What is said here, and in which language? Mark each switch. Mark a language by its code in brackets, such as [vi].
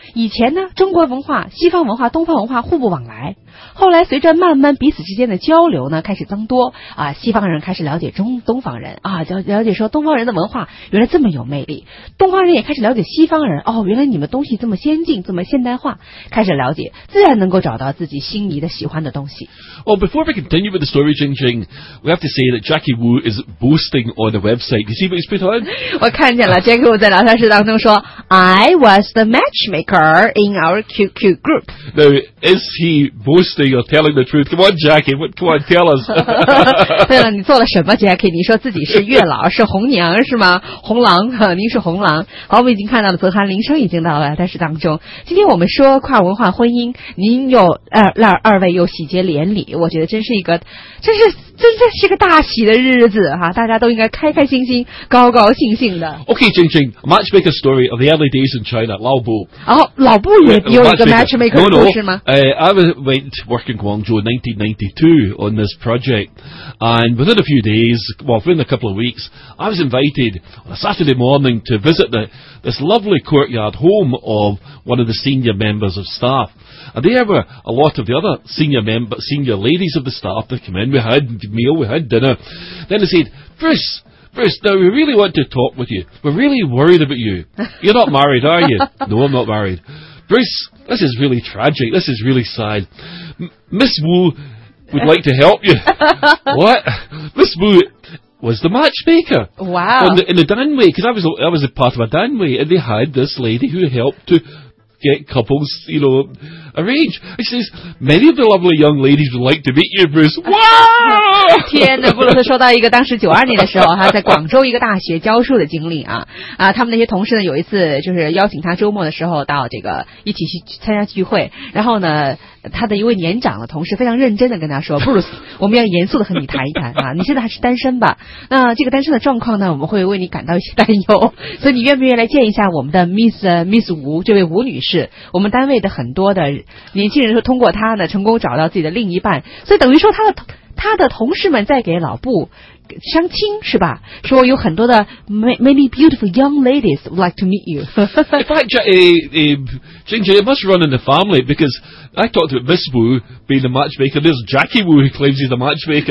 [zh] 以前呢，中国文化、西方文化、东方文化互不往来，后来随着慢慢彼此之间的交流呢开始增多啊，西方人开始了解中东方人啊，了解说东方人的文化原来这么有魅力，东方人也开始了解西方人，哦，原来你们东西这么先进，这么现代化，开始了解，自然能够找到自己心仪的、喜欢的东西。 [en] Well, before we continue with the story, Jing Jing, we have to say that Jackie Wu is boasting on the website. You see what he's put on? [zh] 我看见了 ，Jackie Wu 在聊天室当中说 ， [en] I was the matchmaker in our QQ group. Now, is he boasting or telling the truth? Come on, Jackie, what, come on, tell us. [zh] 对了，你做了什么 ，Jackie？ 你说自己是月老，是红娘是吗？红狼，您是红狼。好，我们已经看到了泽涵铃声已经到了聊天室当中。今天我们说跨文化婚姻，您有二位又喜结连理，我觉得真是一个，真是个大喜的日子哈！大家都应该开开心心、高高兴兴的。 [en] Okay, Jing Jing, matchmaker story of the early days in China, Lao Bo. [zh] 然后老布也有一个 matchmaker 故事吗？ [en] I went to work in Guangzhou in 1992 on this project, and within a few days, well, within a couple of weeks, I was invited on a Saturday morning to visit this lovely courtyard home of one of the senior members of staff. And there were a lot of the other senior ladies of the staff that came in. We had meal, we had dinner. Then they said, Bruce, now we really want to talk with you. We're really worried about you. You're not married, are you? No, I'm not married. Bruce, this is really tragic. This is really sad. Miss Wu would like to help you. What? Miss Wu was the matchmaker. Wow. In the Danway, because I was a part of a Danway, and they had this lady who helped to get couples, you know, arrange. She says, many of the lovely young ladies would like to meet you, Bruce. Wow! [zh] 天哪，布鲁斯说到一个当时92年的时候哈，在广州一个大学教书的经历啊。啊，他们那些同事呢，有一次就是邀请他周末的时候到这个一起去参加聚会，然后呢，他的一位年长的同事非常认真的跟他说，布鲁斯，我们要严肃的和你谈一谈啊，你现在还是单身吧？那这个单身的状况呢，我们会为你感到一些担忧，所以你愿不愿意来见一下我们的 Miss 吴这位吴女士？我们单位的很多的年轻人说通过她呢，成功找到自己的另一半，所以等于说他的同事们在给老布相亲是吧？说有很多的 [en] many beautiful young ladies would like to meet you. In fact, Jing Jing, it must run in the family because I talked about Miss Wu being the matchmaker. There's Jackie Wu who claims he's the matchmaker.